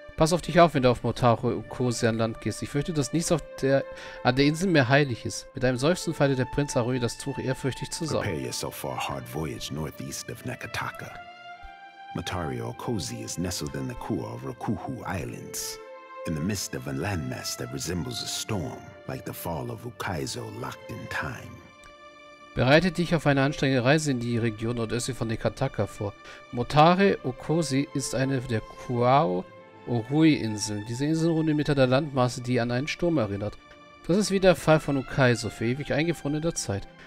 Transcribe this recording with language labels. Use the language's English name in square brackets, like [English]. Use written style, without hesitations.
[German] Pass auf dich auf, wenn du auf Motaro Okose an Land gehst. Ich fürchte, dass nichts an der Insel mehr heilig ist. Mit einem Seufzen faltet der Prinz Arui das Tuch ehrfürchtig zusammen. [English] Prepare yourself for a hard voyage northeast of Nakataka. Motaro Okose is nestled in the core of Rokuhu Islands, in the midst of a landmass that resembles a storm, like the fall of Ukaizo locked in time. [German] Bereite dich auf eine anstrengende Reise in die Region nordöstlich von Nakataka vor. Motaro Okose ist eine der Kuao Orui-Inseln. Diese Inseln ruhen in Mitte der Landmasse, die an einen Sturm erinnert. Das ist wie der Fall von Ukaizo, für ewig eingefroren in der Zeit.